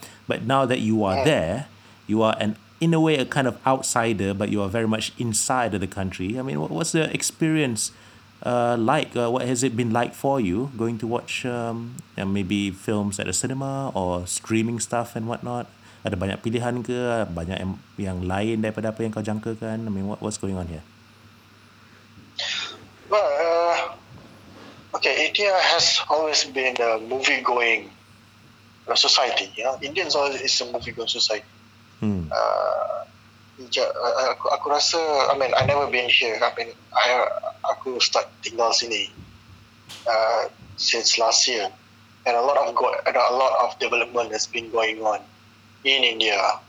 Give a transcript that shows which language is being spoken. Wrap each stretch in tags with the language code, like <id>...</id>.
<en>But now that you are there, you are an in a way a kind of outsider, but you are very much inside of the country. I mean, what's the experience like? What has it been like for you going to watch maybe films at a cinema or streaming stuff and whatnot?</en> <ms>Ada banyak pilihan ke? Banyak yang lain daripada apa yang kau jangkakan?</ms> <en>I mean, what's going on here? Okay, India has always been a movie-going society. Yeah? Indians always is a movie-going society.</en> <ms>Aku rasa,</ms> <en>I mean, I never been here. I mean,</en> <ms>aku start tinggal sini</ms> <en>since last year, and a lot of development has been going on in India.</en>